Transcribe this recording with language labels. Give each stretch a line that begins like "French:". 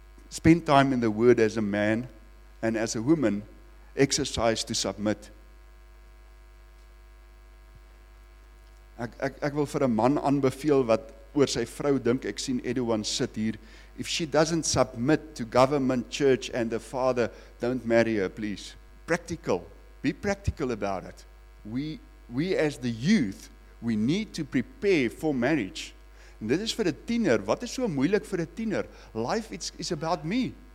English: Spend time in the word as a man, and as a woman, exercise to submit.
Afrikaans: Ek wil vir 'n man aanbeveel wat oor sy vrou dink, ek sien Edouan sit hier.
English: If she doesn't submit to government, church and the father, don't marry her, please. Practical. Be practical about it. We as the youth, we need to prepare for marriage.
Afrikaans: En dit is vir 'n tiener. Wat is so moeilik vir 'n tiener?
English: Life is about me.